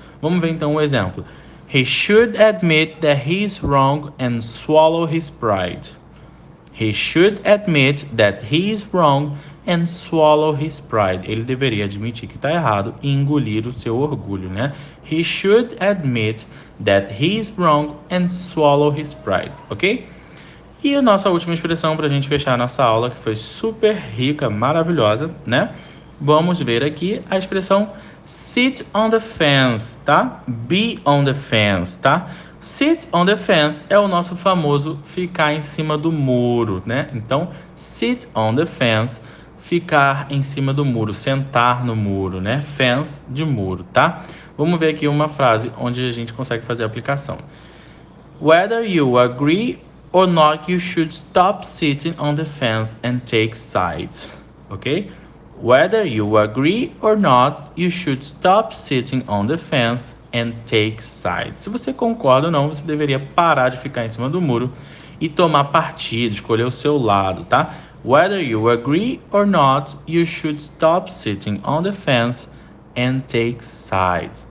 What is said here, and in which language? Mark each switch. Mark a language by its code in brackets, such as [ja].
[pt] Vamos ver então o um exemplo. [en] He should admit that he's wrong and swallow his pride. He should admit that he's wrong and swallow his pride. [pt] Ele deveria admitir que está errado e engolir o seu orgulho, né? [en] He should admit that he's wrong and swallow his pride, ok? [pt] E a nossa última expressão para a gente fechar a nossa aula, que foi super rica, maravilhosa, né? Vamos ver aqui a expressão [en] sit on the fence, [pt] tá? [en] Be on the fence, [pt] tá? [en] Sit on the fence [pt] é o nosso famoso ficar em cima do muro, né? Então, [en] sit on the fence, [pt] ficar em cima do muro, sentar no muro, né? Fence de muro, tá? Vamos ver aqui uma frase onde a gente consegue fazer a aplicação. [en] Whether you agree or not, you should stop sitting on the fence and take sides. Ok? Whether you agree or not, you should stop sitting on the fence and take sides. [pt] Se você concorda ou não, você deveria parar de ficar em cima do muro e tomar partido, escolher o seu lado, tá? [en] Whether you agree or not, you should stop sitting on the fence and take sides.